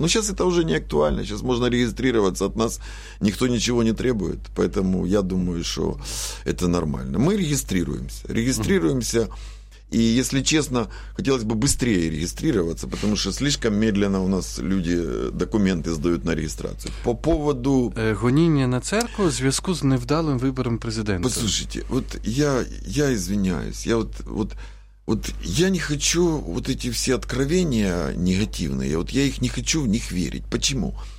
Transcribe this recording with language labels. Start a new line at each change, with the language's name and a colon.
Russian: Но сейчас это уже не актуально, сейчас можно регистрироваться, от нас никто ничего не требует, поэтому я думаю, что это нормально. Мы регистрируемся, и, если честно, хотелось бы быстрее регистрироваться, потому что слишком медленно у нас люди документы сдают на регистрацию. По поводу...
Ukrainian: Гоніння на церкву в зв'язку с невдалим выбором президента.
Russian: Послушайте, вот я извиняюсь, я не хочу вот эти все откровения негативные, вот я их не хочу в них верить. Почему?